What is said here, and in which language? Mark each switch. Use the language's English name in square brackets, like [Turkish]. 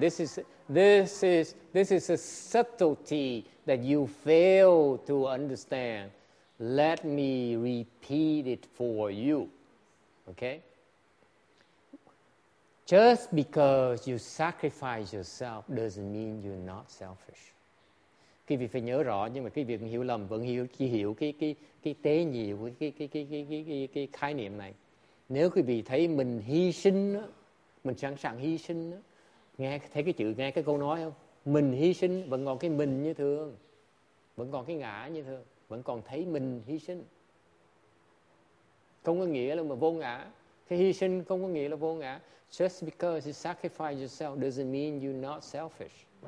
[English] This is a subtlety that you fail to understand. Let me repeat it for you. Okay? Just because you sacrifice yourself doesn't mean you're not selfish. [Vietnamese] Quý vị phải nhớ rõ, nhưng mà quý vị hiểu lầm, vẫn hiểu, chỉ hiểu cái tế nhị, cái khái niệm này. Nếu quý vị thấy mình hy sinh, mình sẵn sàng hy sinh, nghe cái câu nói không? Mình hy sinh, vẫn còn cái mình như thường, vẫn còn cái ngã như thường, vẫn còn thấy mình hy sinh. Không có nghĩa là mà vô ngã. Cái hy sinh không có nghĩa là vô ngã. [English] Just because you sacrifice yourself doesn't mean you're not selfish.